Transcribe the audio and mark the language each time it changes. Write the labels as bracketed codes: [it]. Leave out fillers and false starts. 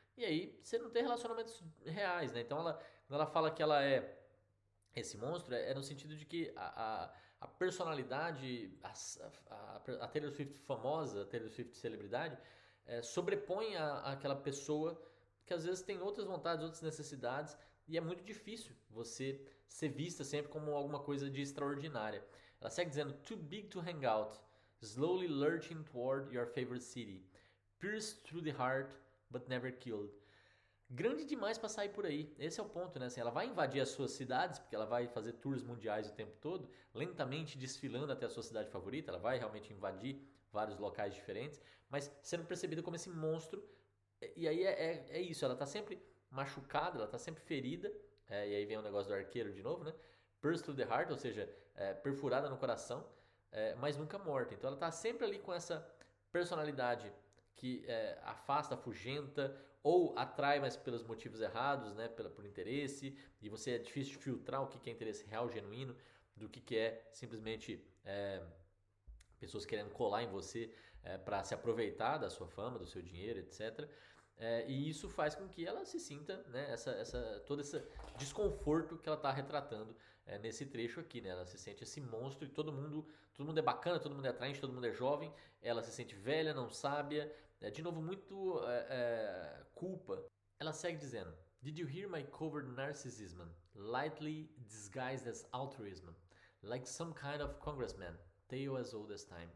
[pt] E aí você não tem relacionamentos reais, né? Então, quando ela fala que ela é esse monstro, é no sentido de que a personalidade, a Taylor Swift famosa, a Taylor Swift celebridade, sobrepõe aquela pessoa que às vezes tem outras vontades, outras necessidades, e é muito difícil você ser vista sempre como alguma coisa de extraordinária. Ela segue dizendo, [en] too big to hang out, slowly lurching toward your favorite city, pierced through the heart, but never killed. [pt] Grande demais para sair por aí. Esse é o ponto, né? Assim, ela vai invadir as suas cidades, porque ela vai fazer tours mundiais o tempo todo, lentamente desfilando até a sua cidade favorita. Ela vai realmente invadir vários locais diferentes, mas sendo percebida como esse monstro. E aí é isso. Ela tá sempre machucada, ela tá sempre ferida. É, e aí vem o negócio do arqueiro de novo, né? [en] Pierced through the heart, [pt] ou seja, perfurada no coração, mas nunca morta. Então ela tá sempre ali com essa personalidade que afasta, afugenta ou atrai, mas pelos motivos errados, né, por interesse, e você é difícil de filtrar o que é interesse real, genuíno, do que é simplesmente pessoas querendo colar em você para se aproveitar da sua fama, do seu dinheiro, etc. E isso faz com que ela se sinta, né, todo esse desconforto que ela está retratando nesse trecho aqui, né? Ela se sente esse monstro e todo mundo é bacana, todo mundo é atraente, todo mundo é jovem, ela se sente velha, não sábia, de novo, muito culpa. Ela segue dizendo, [en] did you hear my covert narcissism, lightly disguised as altruism, like some kind of congressman, tale as old as time.